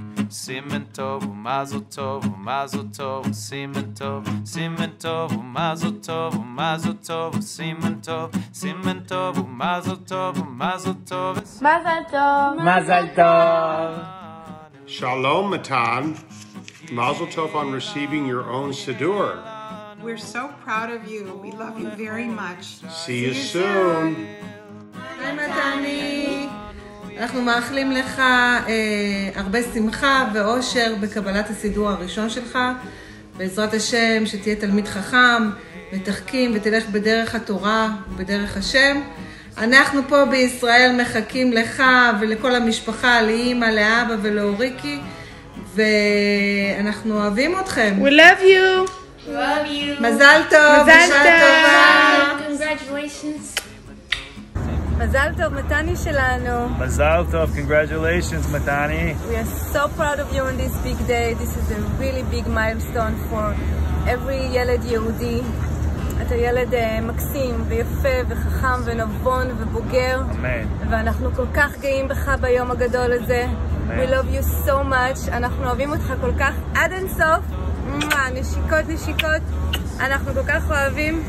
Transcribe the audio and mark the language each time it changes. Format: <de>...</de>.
<he>סימן טוב ומזל טוב ומזל טוב סימן טוב סימן טוב ומזל טוב ומזל טוב סימן טוב סימן טוב ומזל טוב ומזל טוב מזל טוב מזל טוב שלום מתן מזל טוב</he> <en>on receiving your own</en> <he>סידור</he> <en>We're so proud of you we love you very much see you soon</en> <he>מתני אנחנו מאחלים לך הרבה שמחה ואושר בקבלת הסידור הראשון שלך בעזרת השם שתהיה תלמיד חכם ותחכים ותלך בדרך התורה ובדרך השם אנחנו פה בישראל מחכים לך ולכל המשפחה לאמא לאבא ולאוריקי ואנחנו אוהבים אתכם</he> <en>We love you love you</en> <he>מזל טוב מזל טוב</he> <en>congratulations</en> <he>מזל טוב, מתני שלנו. מזל טוב,</he> <en>congratulations,</en> <he>מתני.</he> <en>We are so proud of you on this big day. This is a really big milestone for every</en> <he>ילד יהודי. אתה ילד מקסים ויפה וחכם ונבון ובוגר. אמן. ואנחנו כל כך גאים בך ביום הגדול הזה.</he> <en>Amen. We love you so much.</en> <he>אנחנו אוהבים אותך כל כך עד אינסוף. נשיקות, נשיקות. אנחנו כל כך אוהבים.</he>